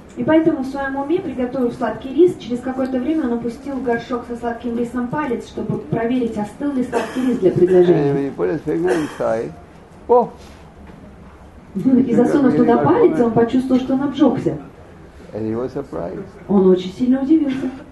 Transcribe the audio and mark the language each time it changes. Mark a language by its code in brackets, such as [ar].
[ru] И поэтому в своем уме, приготовив сладкий рис, через какое-то время он опустил в горшок со сладким рисом палец, чтобы проверить, остыл ли сладкий рис для предложения. [en] And when he put his finger inside, oh! [ru] И засунув туда палец, он почувствовал, что он обжегся. Он очень сильно удивился.